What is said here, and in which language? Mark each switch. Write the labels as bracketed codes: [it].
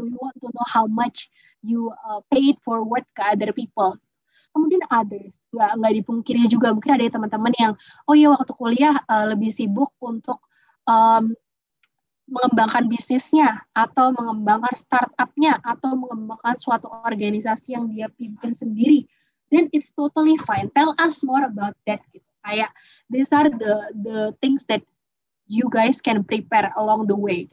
[en] We want to know how much you paid forward [id] ke [en] other people. [id] Kemudian others, nggak dipungkiri juga, mungkin ada teman-teman yang, waktu kuliah lebih sibuk untuk mengembangkan bisnisnya, atau mengembangkan startup-nya, atau mengembangkan suatu organisasi yang dia pimpin sendiri, [en] then it's totally fine. Tell us more about that. [id] Kayak, [en] these are the things that you guys can prepare along the way.